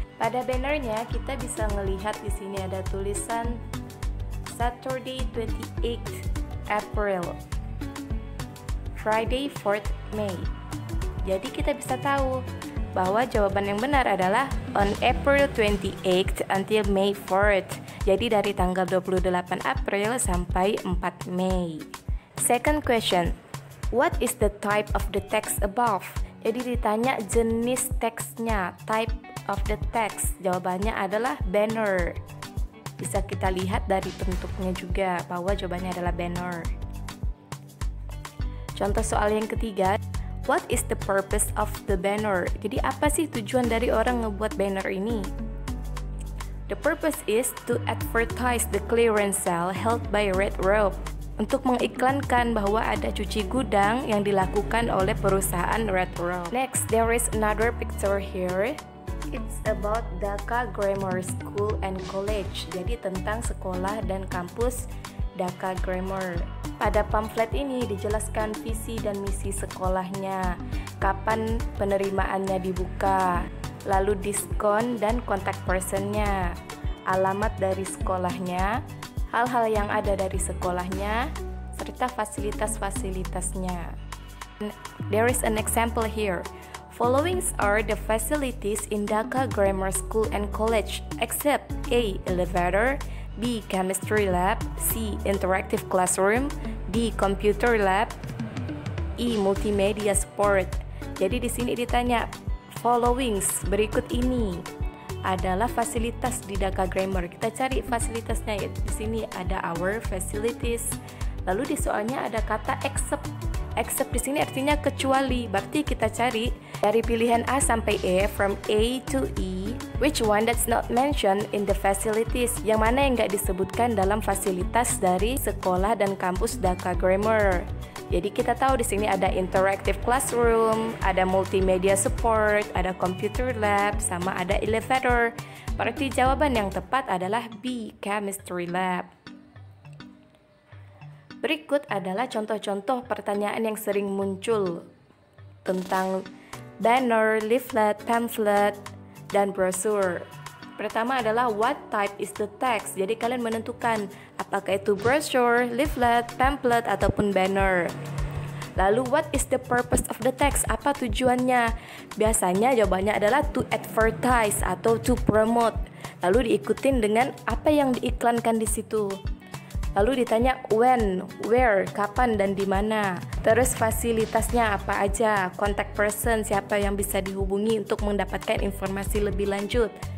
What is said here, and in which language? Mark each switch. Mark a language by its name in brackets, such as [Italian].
[Indonesian] Pada bannernya kita bisa ngelihat di sini ada tulisan Saturday 28 April, Friday 4 May. Jadi kita bisa tahu bahwa jawaban yang benar adalah [English] on April 28 until May 4th. [Indonesian] Jadi dari tanggal 28 April sampai 4 Mei. [English] Second question, what is the type of the text above? [Indonesian] Jadi ditanya jenis teksnya, [English] type of the text. [Indonesian] Jawabannya adalah banner. Bisa kita lihat dari bentuknya juga bahwa jawabannya adalah banner. Contoh soal yang ketiga, [English] what is the purpose of the banner? [Indonesian] Jadi apa sih tujuan dari orang ngebuat banner ini? [English] The purpose is to advertise the clearance sale held by Red Rope. [Indonesian] Untuk mengiklankan bahwa ada cuci gudang yang dilakukan oleh perusahaan Red Rope. [English] Next, there is another picture here. It's about Dhaka Grammar School and College. [Indonesian] Jadi tentang sekolah dan kampus Dhaka Grammar. Pada pamflet ini dijelaskan visi dan misi sekolahnya, kapan penerimaannya dibuka, lalu diskon dan kontak personnya, alamat dari sekolahnya, hal-hal yang ada dari sekolahnya, serta fasilitas-fasilitasnya. [English] There is an example here. Following are the facilities in Dhaka Grammar School and College, except A. Elevator, B. Chemistry Lab, C. Interactive Classroom, D. Computer Lab, E. Multimedia Support. [Indonesian] Jadi di sini ditanya, followings berikut ini adalah fasilitas di Dhaka Grammar. Kita cari fasilitasnya. Di sini ada our facilities. Lalu di soalnya ada kata except. Except di sini artinya kecuali. Berarti kita cari dari pilihan A sampai E, [English] from A to E, which one that's not mentioned in the facilities? [Indonesian] Yang mana yang nggak disebutkan dalam fasilitas dari sekolah dan kampus Dhaka Grammar? Jadi kita tahu di sini ada interactive classroom, ada multimedia support, ada computer lab, sama ada elevator. Berarti jawaban yang tepat adalah B, chemistry lab. Berikut adalah contoh-contoh pertanyaan yang sering muncul tentang banner, leaflet, pamphlet, dan brochure. Pertama adalah [English] what type is the text? [Indonesian] Jadi kalian menentukan apakah itu brochure, leaflet, pamphlet, ataupun banner. [English] Lalu what is the purpose of the text? [Indonesian] Apa tujuannya? Biasanya jawabannya adalah [English] to advertise [Indonesian] atau [English] to promote. [Indonesian] Lalu diikutin dengan apa yang diiklankan di situ. Lalu ditanya when, where, kapan, dan di mana. Terus fasilitasnya apa aja, contact person, siapa yang bisa dihubungi untuk mendapatkan informasi lebih lanjut.